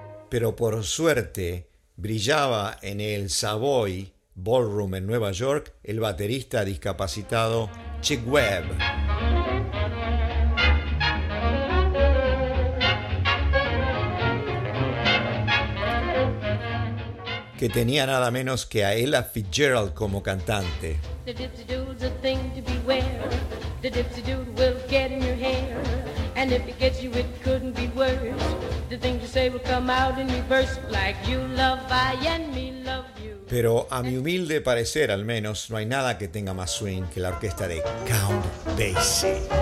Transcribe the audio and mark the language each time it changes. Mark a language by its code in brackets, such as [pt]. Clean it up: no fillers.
[es] Pero por suerte brillaba en el Savoy Ballroom en Nueva York el baterista discapacitado Chick Webb. Que tenía nada menos que a Ella Fitzgerald como cantante. [en] The dipsy dude's a thing to beware. The dipsy dude will get in your hair. And if it gets you, it couldn't be worse. The thing you say will come out in reverse. Like you love I and me love you. [es] Pero a mi humilde parecer, al menos, no hay nada que tenga más swing que la orquesta de Count Basie.